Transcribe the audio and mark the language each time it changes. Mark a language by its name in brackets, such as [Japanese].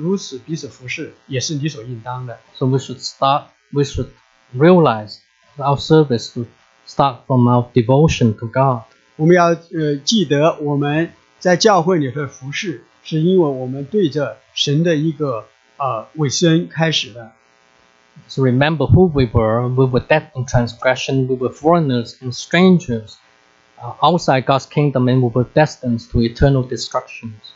[Chinese] 他一个感恩的态度，因为是他的主人给他有服侍的机会。同样的，我们在教会里和彼此服侍，也要记得是因为神给我们有这样服侍的机会。我们如此彼此服侍，也是理所应当的。So [English] we should realize our service to start from our devotion to God. [Chinese] 我们要记得我们在教会里和服侍，是因为我们对着神的一个委身开始的。 [English] So remember who we were. We were dead in transgression. We were foreigners and strangers outside God's kingdom, and we were destined to eternal destruction.